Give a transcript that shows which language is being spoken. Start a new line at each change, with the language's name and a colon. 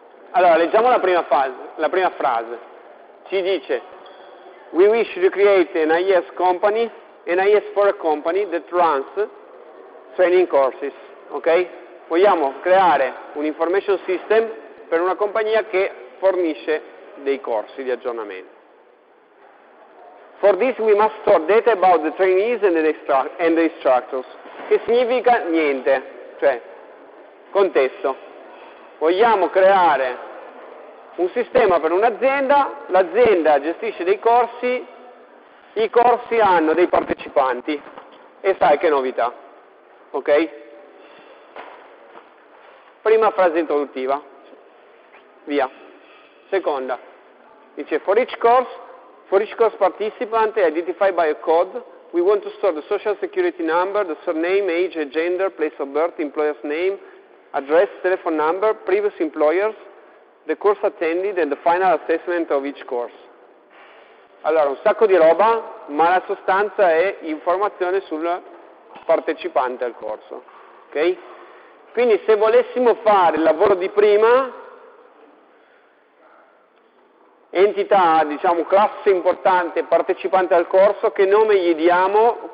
Italian: Allora, leggiamo la prima frase. Ci dice:
English: we wish to create an IES company, an IES for a company that runs training courses.
Italian: Ok? Vogliamo creare un information system per una compagnia che fornisce dei corsi di aggiornamento.
English: For this we must store data about the trainees and the instructors.
Italian: Che significa niente, cioè contesto. Vogliamo creare un sistema per un'azienda, l'azienda gestisce dei corsi, i corsi hanno dei partecipanti e sai che novità, ok? Prima frase introduttiva, via. Seconda, dice
English: for each course participant identified by a code, we want to store the social security number, the surname, age, gender, place of birth, employer's name, address, telephone number, previous employers, the course attended and the final assessment of each course.
Italian: Allora, un sacco di roba, ma la sostanza è informazione sul partecipante al corso. Ok? Quindi se volessimo fare il lavoro di prima, entità, diciamo, classe importante, partecipante al corso, che nome gli diamo?